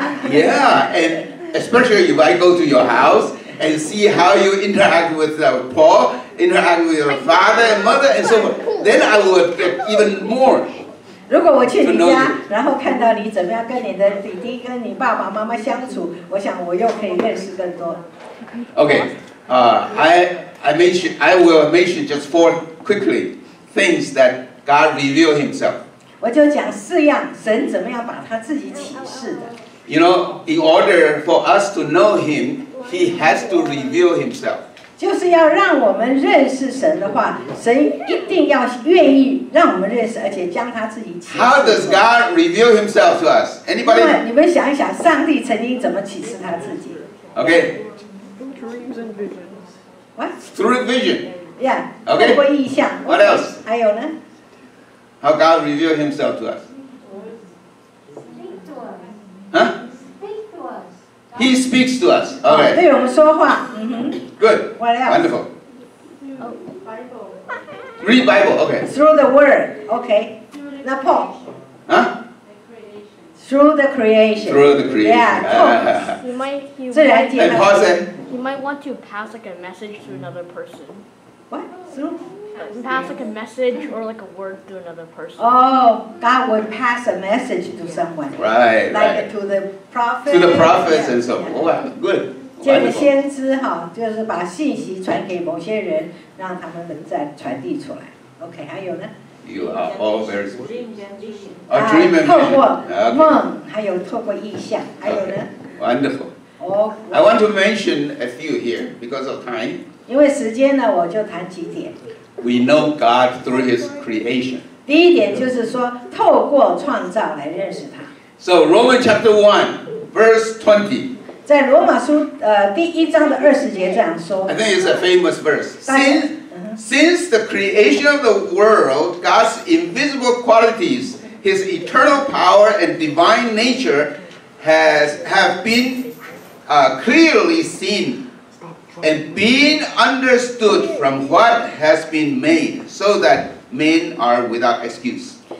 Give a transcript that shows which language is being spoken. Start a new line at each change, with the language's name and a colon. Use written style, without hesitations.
English: Yeah, and especially if I go to your house and see how you interact with Paul, interact with your father and mother and so forth, then I would get even more.
Chinese: 如果我去你家，然后看到你怎么样跟你的弟弟、跟你爸爸妈妈相处，我想我又可以认识更多。
English: Okay. I will mention just four quickly things that God revealed Himself.
Chinese: 我就讲四样，神怎么样把他自己启示的。
English: You know, in order for us to know Him, He has to reveal Himself.
Chinese: 就是要让我们认识神的话，神一定要愿意让我们认识，而且将他自己启示。
English: How does God reveal Himself to us? Anybody?
Chinese: 你们想一想，上帝曾经怎么启示他自己
English: ？Okay. Dreams and visions. What? Through vision. Yeah. Okay.
Chinese: 透过意象。
English: What else?
Chinese: 还有呢？
English: How God revealed Himself to us? Speak to us. Huh? Speak to us. He speaks to us. Okay.
Chinese: 对我们说话。嗯哼。
English: Good. What else? Wonderful. Bible. Read Bible. Okay. Through the Word. Okay. Now Paul. Huh? The creation. Through the creation. Through the creation. Yeah. You might.
Chinese: 自然界。
English: And Paul said. You might want to pass like a message to another person. What? Through? Pass like a message or like a word to another person. Oh, God would pass a message to someone. Right, like right. Like to the prophet. To the prophets and so on. Yeah. Oh, good.
Chinese: 这个先知哈，就是把信息传给某些人，让他们能再传递出来。 Okay, 还有呢？
English: You are all very smart. Dream and vision. Dream and vision.
Chinese: 透过梦，还有透过意象，还有呢
English: ？Wonderful. I want to mention a few here because of time.
Chinese: 因为时间呢，我就谈几点。
English: We know God through His creation.
Chinese: 第一点就是说，透过创造来认识他。
English: So Romans chapter 1, verse 20.
Chinese: 在罗马书第一章的二十节这样说。
English: I think it's a famous verse. Since the creation of the world, God's invisible qualities, His eternal power and divine nature, have beenclearly seen and being understood from what has been made, so that men are without excuse.